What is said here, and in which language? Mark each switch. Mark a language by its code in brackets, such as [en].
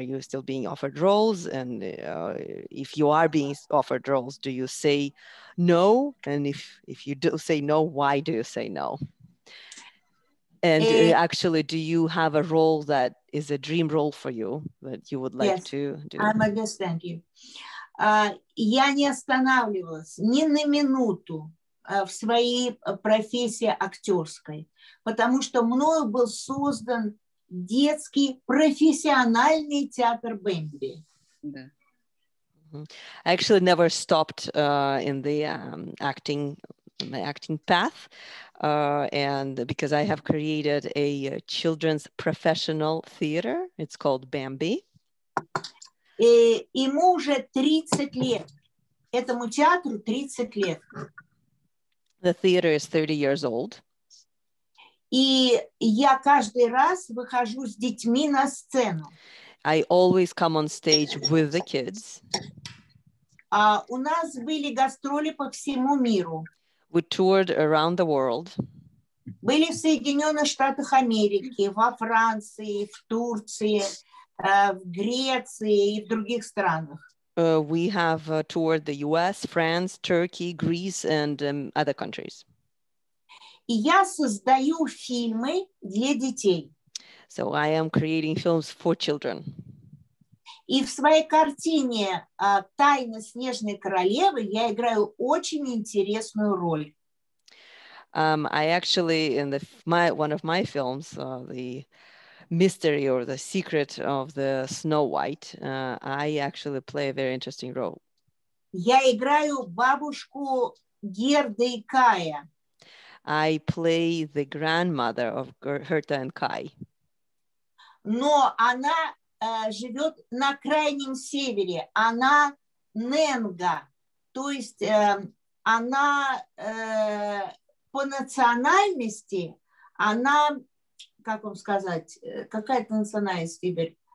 [en] Are you still being offered roles? And if you are being offered roles, do you say no? And if you do say no, why do you say no? And actually, do you have a role that is a dream role for you that you would like to do? Yes, I understand you. [ru] Я не останавливалась ни на минуту в своей профессии актерской, потому что мною был создан детский профессиональный театр Бэмби. [en] Yeah. I actually never stopped in the acting path, and because I have created a children's professional theater, it's called Bambi. [ru] Ему уже 30 лет. Этому театру 30 лет. [en] The theater is 30 years old. [ru] И я каждый раз выхожу с детьми на сцену. [en] I always come on stage with the kids. [ru] У нас были гастроли по всему миру. [en] We toured around the world. [ru] Были в Соединенных Штатах Америки, во Франции, в Турции, в Греции и в других странах. [en] We have toured the US, France, Turkey, Greece, and other countries. [ru] И я создаю фильмы для детей. [en] So I am creating films for children. [ru] И в своей картине «Тайна Снежной Королевы» я играю очень интересную роль. [en] I actually, in one of my films, the Mystery or the Secret of the Snow White, I actually play a very interesting role. [ru] Я играю бабушку Герды и Кая. [en] I play the grandmother of Герта and Кай. [ru] Но она живет на крайнем севере. Она Ненга, то есть она по национальности, она, как вам сказать, какая-то национальность, Игорь?